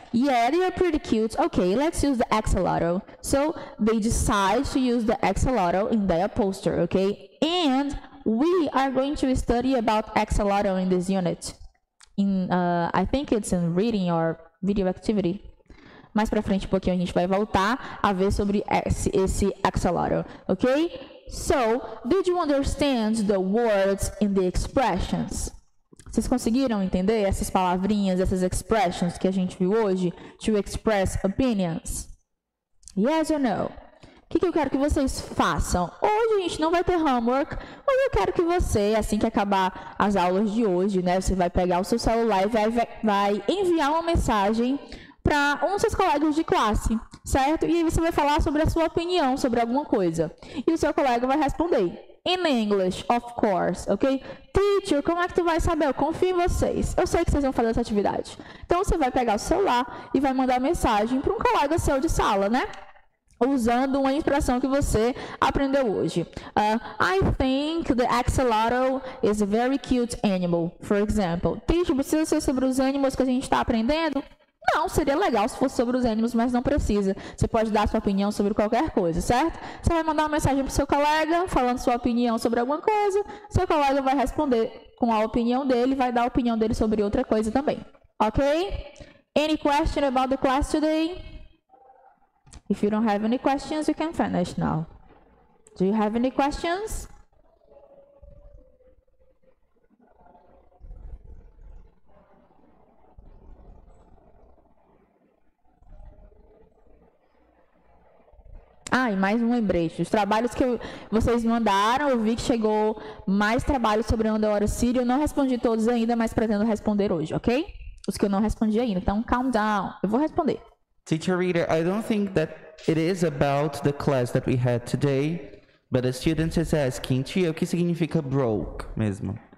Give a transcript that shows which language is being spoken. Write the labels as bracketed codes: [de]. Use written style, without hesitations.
[en] Yeah, they are pretty cute. Okay, let's use the axolotl. So, they decide to use the axolotl in their poster, okay? And we are going to study about axolotl in this unit. I think it's in reading or video activity. [pt] Mais pra frente um pouquinho a gente vai voltar a ver sobre esse axolotl, okay? [en] So, did you understand the words and the expressions? [pt] Vocês conseguiram entender essas palavrinhas, essas expressions que a gente viu hoje? [en] To express opinions. Yes or no? [pt] O que, que eu quero que vocês façam? Hoje a gente não vai ter homework, mas eu quero que você, assim que acabar as aulas de hoje, né? Você vai pegar o seu celular e vai enviar uma mensagem para um dos seus colegas de classe, certo? E aí você vai falar sobre a sua opinião, sobre alguma coisa. E o seu colega vai responder. [en] In English, of course, ok? [pt] Teacher, como é que tu vai saber? Eu confio em vocês. Eu sei que vocês vão fazer essa atividade. Então, você vai pegar o celular e vai mandar mensagem para um colega seu de sala, né? usando uma expressão que você aprendeu hoje. [en] I think the axolotl is a very cute animal, for example. [pt] Teacher, precisa ser sobre os animais que a gente está aprendendo? Não, seria legal se fosse sobre os animais, mas não precisa. Você pode dar sua opinião sobre qualquer coisa, certo? Você vai mandar uma mensagem para o seu colega falando sua opinião sobre alguma coisa. Seu colega vai responder com a opinião dele, vai dar a opinião dele sobre outra coisa também. [en] Ok? Any question about the class today? If you don't have any questions, you can finish now. Do you have any questions? [pt] Ah, e mais um lembrete. Os trabalhos que vocês mandaram, eu vi que chegou mais trabalhos sobre Andorra City. Eu não respondi todos ainda, mas pretendo responder hoje, ok? Os que eu não respondi ainda. Então, [en] calm down. [pt] Eu vou responder. [en] Teacher Rita, I don't think that it is about the class that we had today, but a student is asking, [pt] tia, o que significa broke mesmo?